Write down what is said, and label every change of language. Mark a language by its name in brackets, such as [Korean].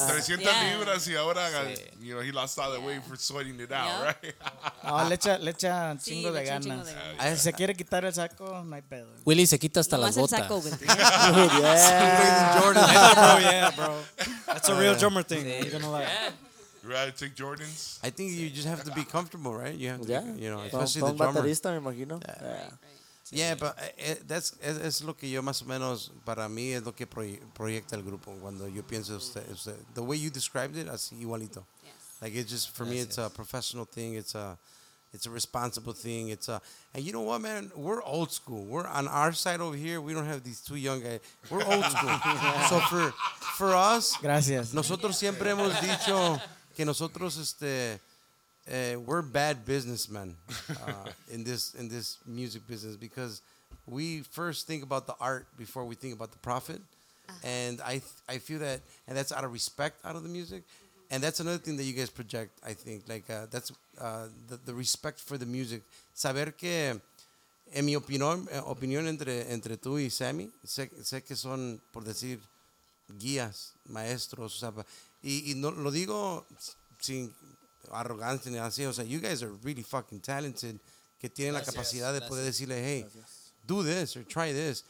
[Spanish] 300 libras y ahora, [English] you know, he lost all the weight for sweating it out, right? [Spanish] No, le echa un chingo de ganas. Si se quiere quitar el saco, no hay pedo. Willy se quita hasta las botas. No más el saco, Willy. [English] Yeah. Jordan. Bro, that's a real drummer thing. You're gonna take Jordans. I think you just have to be comfortable, right? You have to, you know, especially the drummer. [Spanish] Baterista, me imagino. Es lo que yo más o menos para mí es lo que proyecta el grupo cuando yo pienso [English] the way you described it, [Spanish] así igualito. [English] Like it's just for me, it's a professional thing. It's a responsible thing. And you know what, man? We're old school. We're on our side over here. We don't have these two young guys. We're old school. So for us, [Spanish] gracias. Nosotros siempre hemos dicho que nosotros [English] we're bad businessmen in this music business because we first think about the art before we think about the profit. And I feel that, and that's out of respect out of the music. And that's another thing that you guys project, I think. Like, that's the respect for the music. [Spanish] Saber que, en mi opinión entre tú y Sammy, sé que son, por decir, guías, maestros. O sea, y no, lo digo sin arrogancia ni así. [English] O sea, you guys are really fucking talented, [Spanish] que tienen la capacidad de poder decirle, [English] hey, do this or try this.